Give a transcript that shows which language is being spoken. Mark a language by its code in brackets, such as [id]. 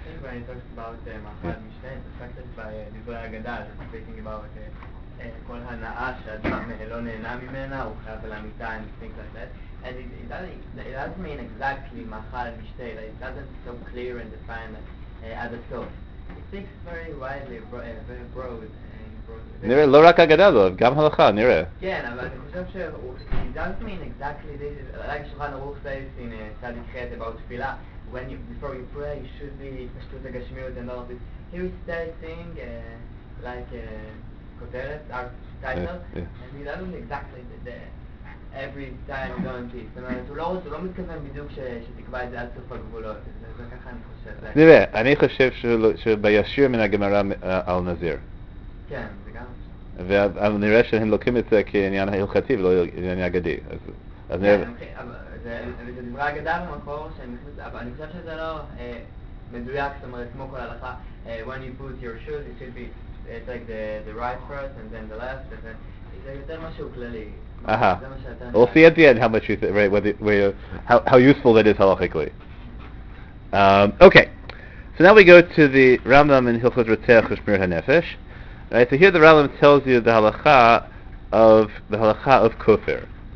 [en] When he talks about the Mahal Mishneh, the fact that by Divrei Agadah, he's speaking about [he] kol hana'a she'adam lo ne'ena mimena, hu chayav la'mita, [en] and things like that. And it doesn't mean exactly Mahal Mishneh, like it doesn't so clear and defined as a soul. It speaks very widely, very broad. [he] נראה, לא רק אגדה זו, גם הלכה, נראה. כן, אבל אני חושב ש... [en] It doesn't mean exactly this, like Shulchan Aruch says in צדיק ח' about תפילה, when you, before you pray, you should be התפשטות הגשמיות and all of this. He was stating, like, כותרת, our title, and he doesn't exactly the every time don't eat. [he] זאת אומרת, הוא לא מתכוון בדיוק שתקבע את זה עד סוף הגבולות, זה ככה אני חושב. נראה, אני חושב שבישיר מן הגמרא על נזיר. כן, זה גם... ונראה שהם לוקחים את זה כעניין הלכתי ולא עניין אגדי. כן, אבל זה דברי אגדה במקור, אבל אני חושב שזה לא מדויק, זאת אומרת, כמו כל הלכה, [en] when you put your shoes, it should be, it's like the right first and then the left, [he] זה יותר משהו כללי. אהה. [en] We'll see at the end how much you think, right, how useful that is halachically. Okay. So now we go to the Rambam in Hilchot Ratzeach Shmirat HaNefesh. Right, so here the Rambam tells you the halacha of kofir.